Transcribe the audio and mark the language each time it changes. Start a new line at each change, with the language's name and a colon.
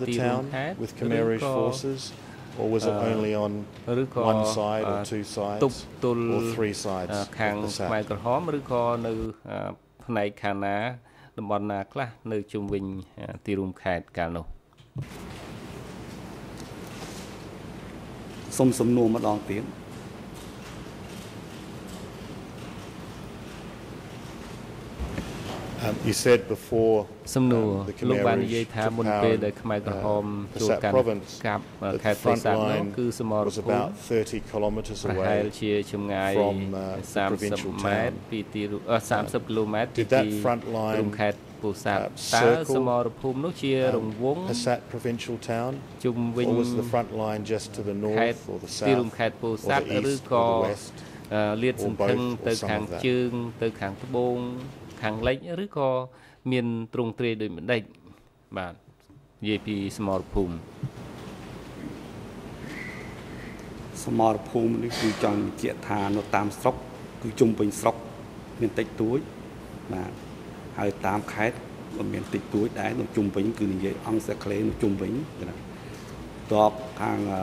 English: the town with Khmer Rouge forces, or was it only on one side or two sides or three sides of the south?
Khmer: ឬក៏ខាងខ្មែរក្រហមឬក៏នៅផ្នែកខាងណាតំបន់ណាខ្លះនៅជុំវិញទីរួមខេត្តកាលនោះ សុំសំណួរម្ដងទៀត
English: You said before the Khmer Rouge took power, the province, the front line was about 30 kilometers away from the provincial town. Did that front line circle Passat provincial town, or was the front line just to the north or the south or the east or the west or both or some of that?
Khmer: ខាងលិចឬក៏មានទ្រង់ទ្រាយដូចម្ដេចបាទនិយាយពីសមរភូមិ សមរភូមិនេះគឺចង់បញ្ជាក់ថានៅតាមស្រុកគឺជុំវិញស្រុកមានតិចតួចបាទហើយតាមខេត្តក៏មានតិចតួចដែរនៅជុំវិញគឺនិយាយអង្គសក្លេនៅជុំវិញណាតបខាង